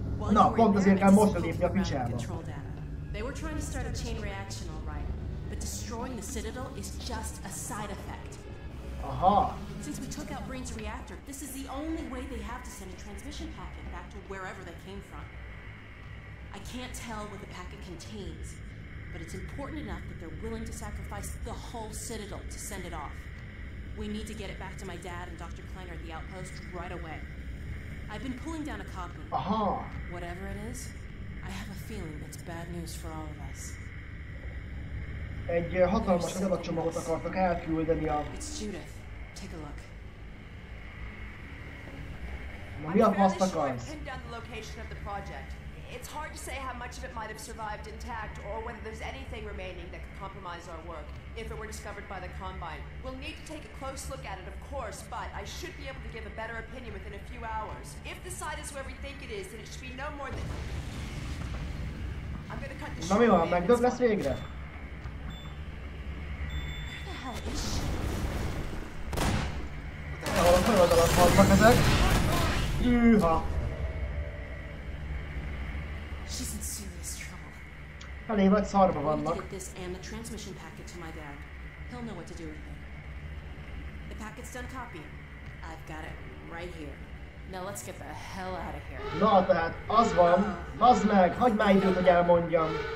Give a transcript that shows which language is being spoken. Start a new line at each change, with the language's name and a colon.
Hungarian: Na, pont azért kell most lépni a picsába.
English: They were trying to start a chain reaction, all right. But destroying the Citadel is just a side effect. Aha. Since we took out Breen's reactor, this is the only way they have to send a transmission packet back to wherever they came from. I can't tell what the packet contains, but it's important enough that they're willing to sacrifice the whole Citadel to send it off. We need to get it back to my dad and Dr. Kleiner at the outpost right away. I've been pulling down a copy. Aha. Whatever it is, I have a feeling it's bad news for all of us.
Hungarian: Egy hatalmas adatcsomagot akartak elküldeni a...
English: It's Judith. Take a look.
Hungarian: Na, mi a faszt akarsz?
English: I'm fairly sure I pinned down the location of the project. It's hard to say how much of it might have survived intact, or whether there's anything remaining that could compromise our work, if it were discovered by the Combine. We'll need to take a close look at it, of course, but I should be able to give a better opinion within a few hours. If the site is where we think it is, then it should be no more than... I'm gonna cut this short.
Hungarian: Na mi van, megdöbb lesz végre?
English: Where the hell is she?
Hungarian: Na, valami feladat alatt halltak ezek. Hűha!
English: She's in serious trouble.
Hungarian: Elég nagy szarba vannak.
English: We need to get this and the transmission packet to my dad. He'll know what to do with it. The packet's done copying. I've got it right here. Now let's get the hell out of here.
Hungarian: Na tehát, az van. Bazd meg, hagyd már időt, hogy elmondjam.